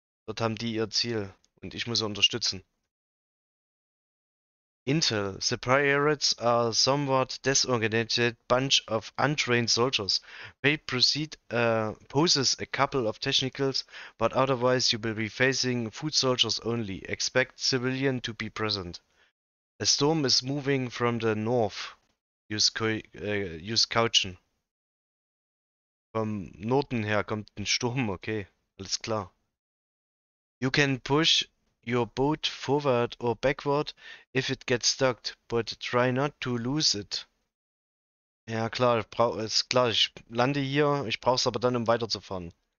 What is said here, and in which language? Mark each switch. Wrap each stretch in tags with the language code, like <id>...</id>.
<de>Dort haben die ihr Ziel und ich muss sie unterstützen.</de> <en>intel. The pirates are a somewhat disorganized bunch of untrained soldiers. They proceed poses a couple of technicals, but otherwise you will be facing foot soldiers only. Expect civilian to be present. A storm is moving from the north.</en> <de>Use couchen. Vom Norden her kommt ein Sturm, okay. Alles klar.</de> <en>You can push your boat forward or backward if it gets stuck, but try not to lose it.</en> <de>Ja klar, ich lande hier, ich brauch's aber dann, um weiterzufahren.</de>